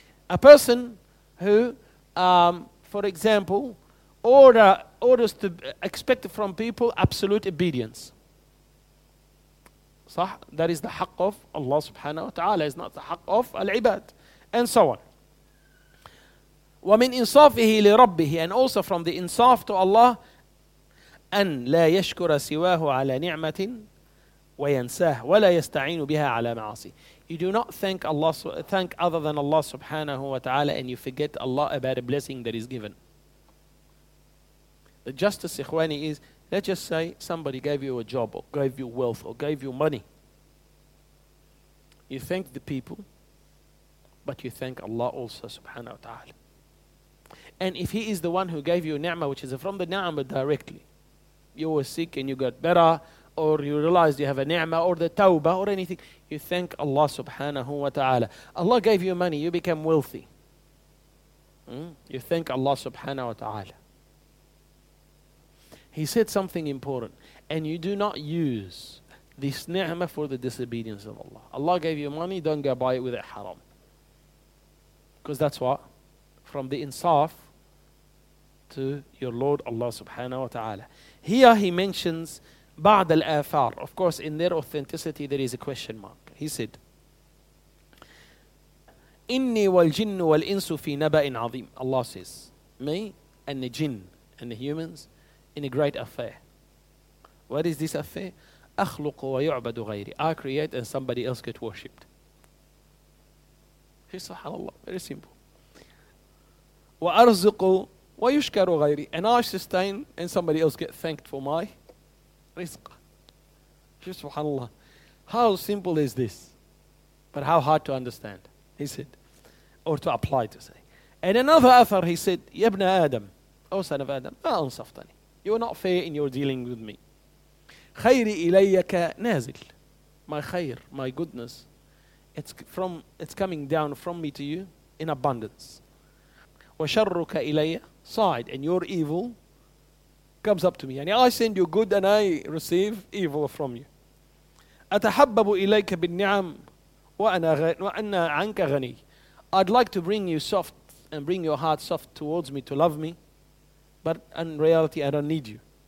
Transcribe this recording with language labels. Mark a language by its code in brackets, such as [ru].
[en] A person who, for example, orders to expect from people absolute obedience. صح? That is the haqq of Allah subhanahu wa ta'ala. It's not the haqq of al-ibad. And so on. [ar] وَمِنْ إِنصَافِهِ لِرَبِّهِ. [en] And also from the insaf to Allah, [ar] أن لا يشكر سواه على نعمة وينساه ولا يستعين بها على معاصي. [en] You do not thank Allah, thank other than Allah subhanahu wa ta'ala, and you forget Allah about a blessing that is given. The justice, ikhwani, is, let's just say somebody gave you a job or gave you wealth or gave you money. You thank the people, but you thank Allah also, subhanahu wa ta'ala. And if He is the one who gave you ni'mah, which is from the ni'mah directly, you were sick and you got better, or you realized you have a ni'mah, or the tawbah, or anything, you thank Allah subhanahu wa ta'ala. Allah gave you money, you became wealthy. You thank Allah subhanahu wa ta'ala. He said something important. And you do not use this ni'mah for the disobedience of Allah. Allah gave you money, don't go buy it with a haram. Because that's what? From the insaf to your Lord Allah subhanahu wa ta'ala. Here he mentions [ar] بعد الآثار. [en] Of course, in their authenticity, there is a question mark. He said, [ar] إني والجن والإنس في نبأ عظيم. [en] Allah says, me and the jinn and the humans in a great affair. What is this affair? [ar] أخلق ويعبد غيري. [en] I create and somebody else get worshipped. SubhanAllah, very simple. [ar] وأرزق ويشكر غيري. [en] And I sustain and somebody else get thanked for my rizq. SubhanAllah. How simple is this? But how hard to understand, he said. Or to apply, to say. And another author, he said, [ar] يبنى آدم. [en] O son of Adam, [ar] ما أنصفتني. [en] You are not fair in your dealing with me. [ar] خيري إليك نازل. [en] My خير, my goodness, it's coming down from me to you in abundance. [ar] وشرك إلي صاعد. [en] And your evil comes up to me. And I send you good and I receive evil from you. [ar] أتحبب إليك بالنعم وأنا عنك غني. [en] I'd like to bring you soft and bring your heart soft towards me to love me, but in reality I don't need you.